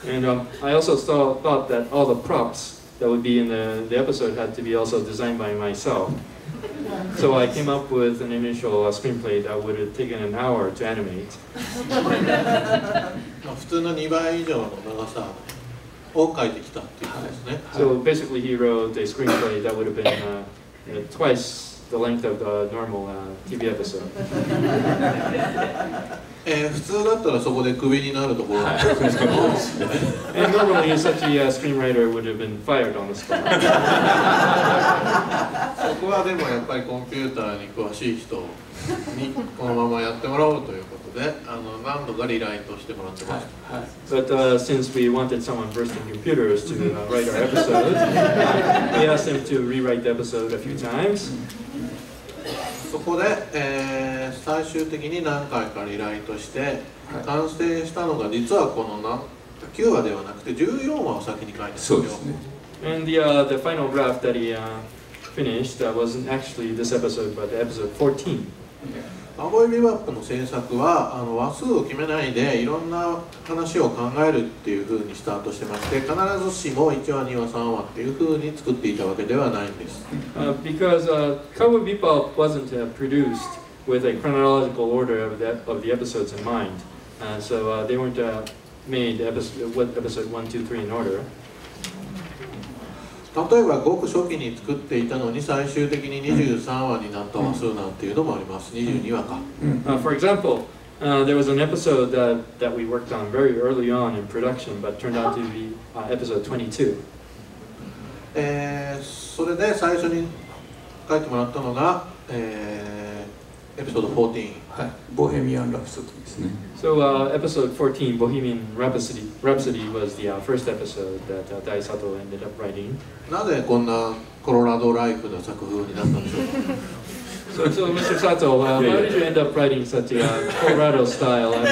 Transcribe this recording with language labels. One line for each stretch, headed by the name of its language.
English: And I also thought that all the props that would be in the episode had to be also designed by myself. So I came up with an initial screenplay that would have taken an hour to animate.
Japanese: 普通の2倍以上の長さを書いてきたっていうことですね。
English: So basically he wrote a screenplay that would have been twice the length of the normal TV episode.
Japanese: 普通だったらそこでクビになるところなんですけど、
English: はい、And normally such a screenwriter would have been fired on the spot.
Japanese: そこはでもやっぱりコンピューターに詳しい人にこのままやってもらおうということで、何度かリライトしてもらってます。はいはい、
English: But since we wanted someone versed in computers to write our episode, we asked him to rewrite the episode a few times.
Japanese: そこで、最終的に何回かリライトして完成したのが実はこの9話ではなくて14話を先に書いてるんですよ。
English: And the final draft that he finished wasn't actually this episode but episode 14.
Japanese: カウボーイビバップの制作は話数を決めないでいろんな話を考えるっていう風にスタートしてまして必ずしも1話、2話、3話っていう風に作っていたわけではないんです。
English: Because Cowboy Bebop wasn't produced with a chronological order of the episodes in mind. So they weren't made episode 1, 2, 3 in order.
Japanese: 例えばごく初期に作っていたのに最終的に23話になった話数なんていうのもあります。 22話か、
English: For example, there was an episode that we worked on very early on in production but turned out to be episode 22、
Japanese: それで最初に書いてもらったのが、エピソード14、はい、ボヘミアン・ラプソディですね。
English: So episode 14, Bohemian Rhapsody was the first episode that Dai Sato ended up writing.
Japanese: なぜこんなコロラドライクな作風になったんでしょうか。
English: So Mr. Sato, how did you end up writing such a Colorado style?